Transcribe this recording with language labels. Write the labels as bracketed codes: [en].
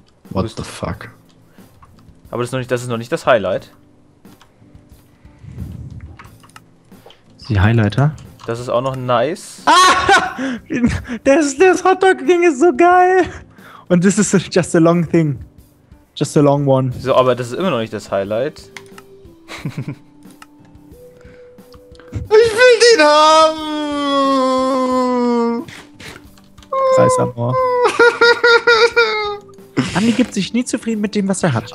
[en] What the fuck? [de] Aber das ist noch nicht das Highlight. Die Highlighter. Das ist auch noch nice. Ah! Das Hotdog-Ding ist so geil. Und [en] this is just a long thing. Just a long one. [de] So, aber das ist immer noch nicht das Highlight. Ich will den haben! Scheiß Amor. Andi gibt sich nie zufrieden mit dem, was er hat.